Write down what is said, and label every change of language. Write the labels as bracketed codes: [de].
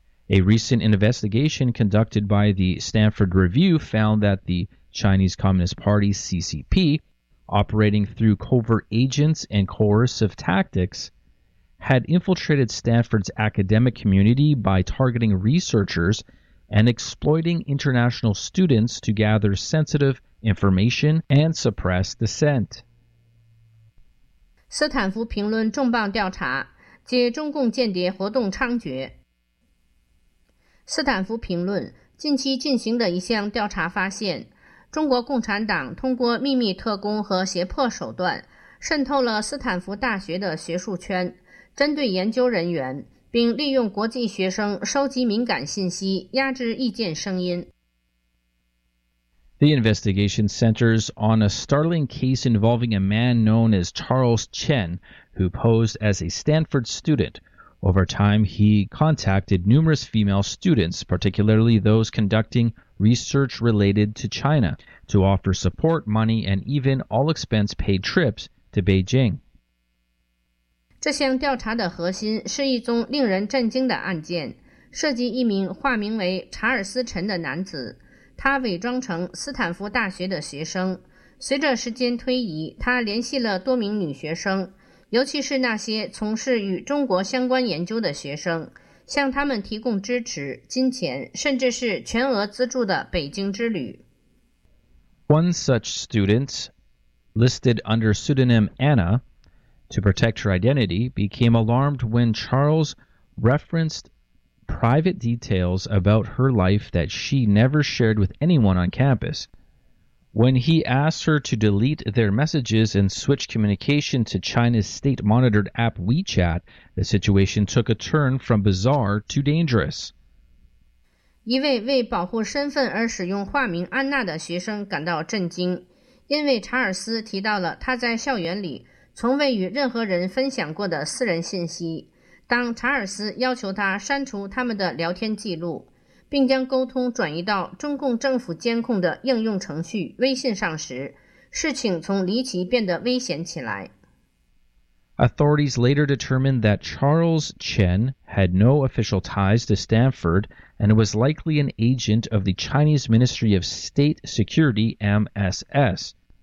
[en] A recent investigation conducted by the Stanford Review found that the Chinese Communist Party, CCP, operating through covert agents and coercive tactics, had infiltrated Stanford's academic community by targeting researchers and exploiting international students to gather sensitive information and suppress dissent. [zh] 斯坦福评论重磅调查，接中共间谍活动猖獗。斯坦福评论近期进行的一项调查发现，中国共产党通过秘密特工和胁迫手段渗透了斯坦福大学的学术圈，针对研究人员，并利用国际学生收集敏感信息，压制意见声音。 [en] The investigation centers on a startling case involving a man known as Charles Chen, who posed as a Stanford student. Over time, he contacted numerous female students, particularly those conducting research related to China, to offer support, money, and even all-expense-paid trips to Beijing. [zh] 这项调查的核心是一宗令人震惊的案件，涉及一名化名为查尔斯·陈的男子。他伪装成斯坦福大学的学生，随着时间推移，他联系了多名女学生，尤其是那些从事与中国相关研究的学生，向他们提供支持、金钱，甚至是全额资助的北京之旅。 [en] One such student, listed under pseudonym Anna, to protect her identity, became alarmed when Charles referenced private details about her life that she never shared with anyone on campus. When he asked her to delete their messages and switch communication to China's state-monitored app WeChat, the situation took a turn from bizarre to dangerous. [zh] 一位为保护身份而使用化名安娜的学生感到震惊，因为查尔斯提到了他在校园里从未与任何人分享过的私人信息。当查尔斯要求他删除他们的聊天记录，并将沟通转移到中共政府监控的应用程序微信上时，事情从离奇变得危险起来。 [en] Authorities later determined that Charles Chen had no official ties to Stanford and was likely an agent of the Chinese Ministry of State Security, MSS.